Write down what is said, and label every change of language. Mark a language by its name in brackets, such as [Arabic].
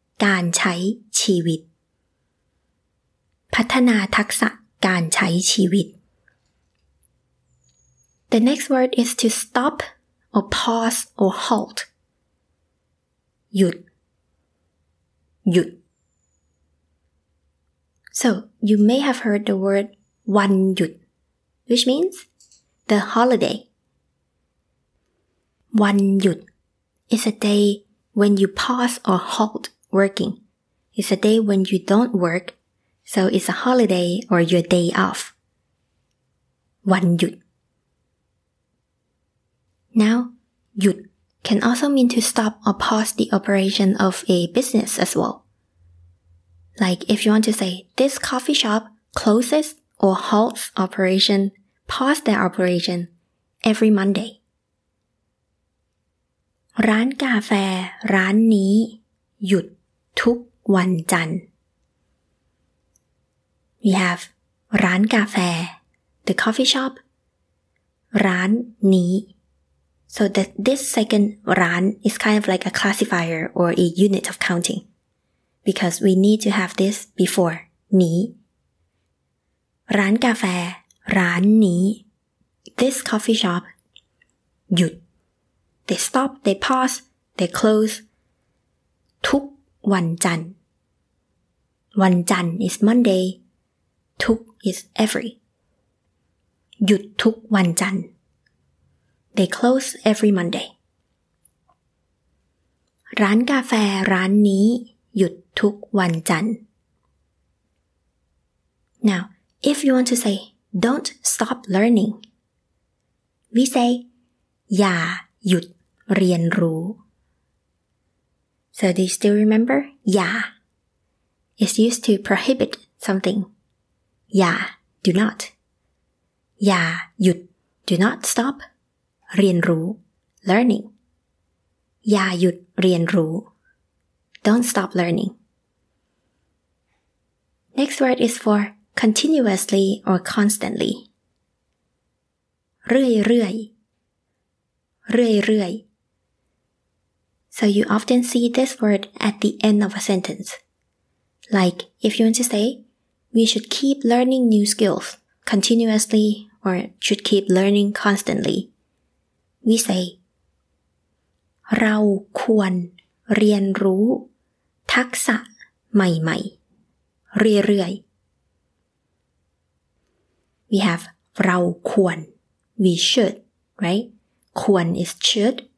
[Thai] การใช้ชีวิตพัฒนาทักษะการใช้ชีวิต [English] The next word is to stop or pause or halt. [Thai] หยุดหยุด [English] So you may have heard the word วันหยุด which means the holiday. [Thai] วันหยุด [English] is a day when you pause or haltWorking. It's a day when you don't work, so it's a holiday or your day off. [Thai] วันหยุด [English] Now, หยุด can also mean to stop or pause the operation of a business as well. Like if you want to say, this coffee shop closes or halts operation, pause their operation every Monday. [Thai] ร้านกาแฟร้านนี้หยุดทุกวันจันทร์ [English] We have [Thai] ร้านกาแฟ [English] the coffee shop [Thai] ร้านนี้ [English] so that this second ร้าน is kind of like a classifier or a unit of counting because we need to have this before นี้ [Thai] ร้านกาแฟร้านนี้ [English] this coffee shop [Thai] หยุด [English] they stop they pause they close [Thai] ทุกวันจันทร์ วันจันทร์ [English] is Monday ทุก is every [Thai] หยุดทุกวันจันทร์ [English] they close every Monday [Thai] ร้านกาแฟร้านนี้หยุดทุกวันจันทร์ [English] now if you want to say don't stop learning we say [Thai] อย่าหยุดเรียนรู้ [English] So do you still remember? Yeah. It's used to prohibit something. Yeah, do not. [Thai] Yeah, หยุด [English] do not stop. [Thai] เรียนรู้ [English] learning. [Thai] Yeah, หยุดเรียนรู้ [English] don't stop learning. Next word is for continuously or constantly. [Thai] เรื่อยเรื่อยเรื่อยเรื่อย [English] So you often see this word at the end of a sentence. Like if you want to say, we should keep learning new skills continuously or should keep learning constantly. We say, [Thai] เราควรเรียนรู้ทักษะใหม่ๆเรื่อย [English] ๆ We have [Thai] เราควร [English] we should, right? ควร is should.